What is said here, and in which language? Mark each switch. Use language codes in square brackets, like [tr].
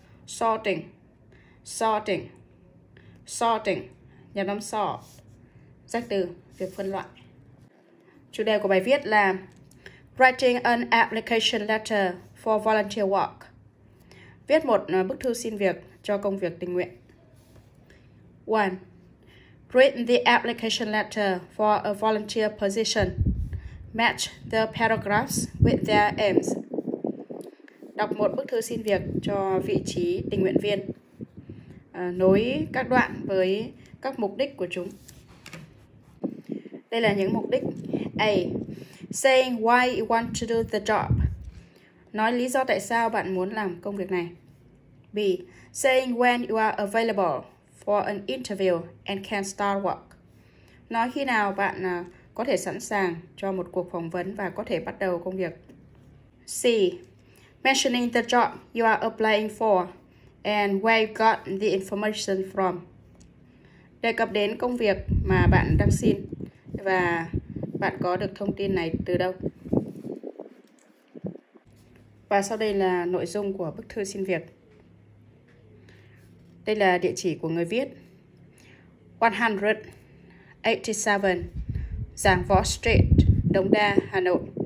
[en] Sorting, sorting, sorting, [vi] nhấn vào sort, danh từ việc phân loại. Chủ đề của bài viết là [en] Writing an application letter for volunteer work. [vi] Viết một bức thư xin việc cho công việc tình nguyện. 1. [en] Written the application letter for a volunteer position. Match the paragraphs with their aims. [vi] Đọc một bức thư xin việc cho vị trí tình nguyện viên. Nối các đoạn với các mục đích của chúng. Đây là những mục đích. A. [en] Saying why you want to do the job. [vi] Nói lý do tại sao bạn muốn làm công việc này. B. [en] Saying when you are available for an interview and can start work. [vi] Nói khi nào bạn có thể sẵn sàng cho một cuộc phỏng vấn và có thể bắt đầu công việc. C. [en] Mentioning the job you are applying for and where you got the information from. [vi] Đề cập đến công việc mà bạn đang xin và bạn có được thông tin này từ đâu. Và sau đây là nội dung của bức thư xin việc. Đây là địa chỉ của người viết. 187 Giảng Võ Street, Đống Đa, Hà Nội.